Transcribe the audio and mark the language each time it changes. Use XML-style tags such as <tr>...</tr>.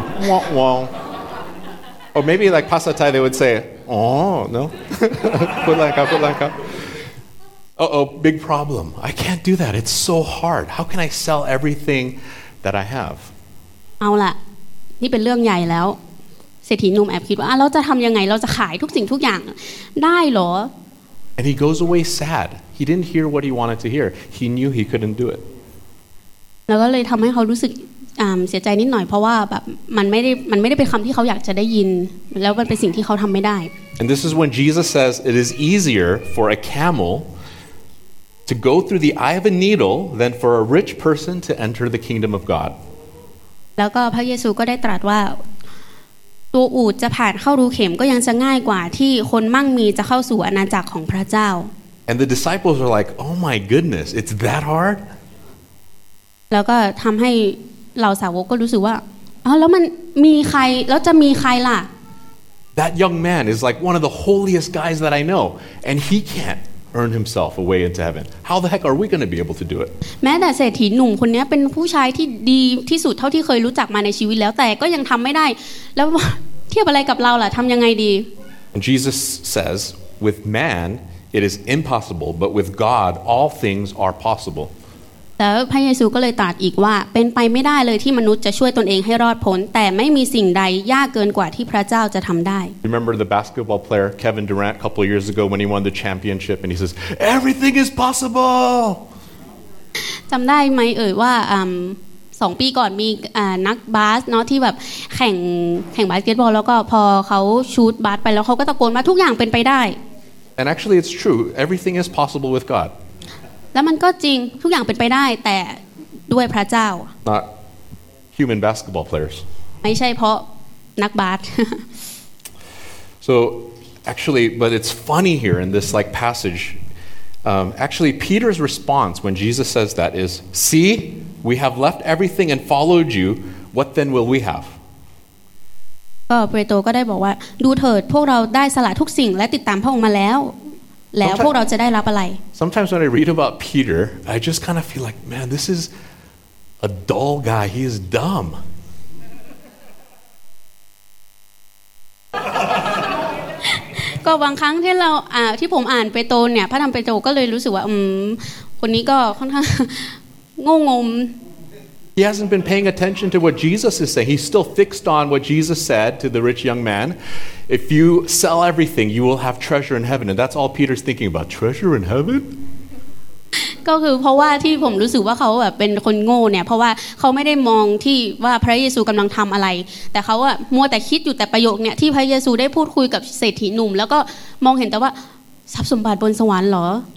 <en>wah wah or maybe like Pasa Thai they would say oh no put like upUh-oh, big problem. I can't do that. It's so hard. How can I sell everything that I have?</en> <th>เอาล่ะนี่เป็นเรื่องใหญ่แล้วเศรษฐีหนุ่มแอบคิดว่าเราจะทำยังไงเราจะขายทุกสิ่งทุกอย่างได้หรอ</th> <en>And he goes away sad. He didn't hear what he wanted to hear. He knew he couldn't do it.</en> <th>แล้วก็เลยทำให้เขารู้สึกเสียใจนิดหน่อยเพราะว่าแบบมันไม่ได้เป็นคำที่เขาอยากจะได้ยินแล้วมันเป็นสิ่งที่เขาทำไม่ได้</th> <en>And this is when Jesus says it is easier for a camelTo go through the eye of a needle than for a rich person to enter the kingdom of God.</en> <th>แล้วก็พระเยซูก็ได้ตรัสว่าตัวอูฐจะผ่านเข้ารูเข็มก็ยังจะง่ายกว่าที่คนมั่งมีจะเข้าสู่อาณาจักรของพระเจ้า</th> <en>And the disciples are like, "Oh my goodness, it's that hard?"</en> <th>แล้วก็ทำให้เราสาวกก็รู้สึกว่าแล้วมันมีใครแล้วจะมีใครล่ะ</th> <en>That young man is like one of the holiest guys that I know, and he can't. Earn himself away into heaven. How the heck are we going to be able to do it?</en> <th>แม้แต่เศรษฐีหนุ่มคนนี้เป็นผู้ชายที่ดีที่สุดเท่าที่เคยรู้จักมาในชีวิตแล้วแต่ก็ยังทำไม่ได้แล้วเทียบอะไรกับเราล่ะทำยังไงดี</th> <en>And Jesus says, with man it is impossible, but with God all things are possible.</en> <th>แล้วพระเยซูก็เลยตรัสอีกว่าเป็นไปไม่ได้เลยที่มนุษย์จะช่วยตนเองให้รอดพ้นแต่ไม่มีสิ่งใดยากเกินกว่าที่พระเจ้าจะทำได้</th> <en>Remember the basketball player Kevin Durant a couple of years ago when he won the championship and he says everything is possible</en> <th>จำได้ไหมเอ่ยว่า2ปีก่อนมีนักบาสเนาะที่แบบแข่งบาสเกตบอลแล้วก็พอเขาชูตบาสไปแล้วเขาก็ตะโกนว่าทุกอย่างเป็นไปได้</th> <en>And actually it's true everything is possible with God</en> <th>แล้วมันก็จริงทุกอย่างเป็นไปได้แต่ด้วยพระเจ้า</th> <en>Not human basketball players</en> <th>ไม่ใช่เพราะนักบาส</th> <en>So actually but it's funny here in this like passage actually Peter's response when Jesus says that is see we have left everything and followed you what then will we have</en> <th>ก็เปโตรก็ได้บอกว่าดูเถิดพวกเราได้สละทุกสิ่งและติดตามพระองค์มาแล้วแล้วพวกเราจะได้รับอะไร</th> <en>Sometimes when I read about Peter I just kind of feel like man this is a dull guy he is dumb</en> <th>ก็บางครั้งที่เราที่ผมอ่านเปโตรเนี่ยพระธรรมเปโตรก็เลยรู้สึกว่าคนนี้ก็ค่อนข้างโง่งม</th> <en>He hasn't been paying attention to what Jesus is saying. He's still fixed on what Jesus said to the rich young man. If you sell everything, you will have treasure in heaven. And that's all Peter's thinking about. Treasure in heaven?</en> <th>ก็คือเพราะว่าที่ผมรู้สึกว่าเขาแบบเป็นคนโง่เนี่ยเพราะว่าเขาไม่ได้มองที่ว่าพระเยซูกำลังทำอะไรแต่เขาอะมัวแต่คิดอยู่แต่ประโยคเนี่ยที่พระเยซูได้พูดคุยกับเศรษฐีหนุ่มแล้วก็มองเห็นแต่ว่าทรัพย์สมบัติบนสวรรค์เหรอ</th>